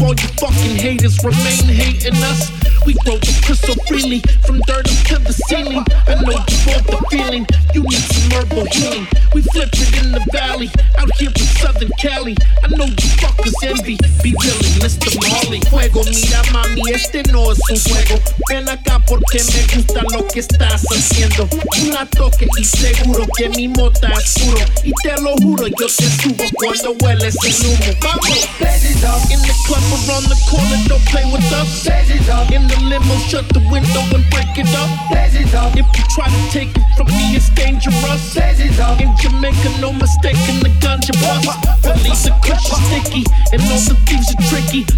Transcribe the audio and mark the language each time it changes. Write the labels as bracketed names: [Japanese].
[English] All you fucking haters remain hating us. We throw the crystal freely from dirt up to the ceiling. I know you want the feeling, you need some herbal healing. We flip it in the valley, out here in Southern Cali. I know you fuckers envy, be willing, Mr. Molly. [Spanish] Fuego, mira mami, este no es un juego. Ven acá porque me gusta lo que estás haciendo. Una toque y seguro que mi mota es puro. Y te lo juro, yo te subo cuando hueles el humo. Vamos, [English] in the club around the corner, don't play with us. In the limo, shut the window and break it up. If you try to take it from me, it's dangerous. In Jamaica, no mistake, in the ganja bus. Police are crushing sticky, and all the thieves are tricky.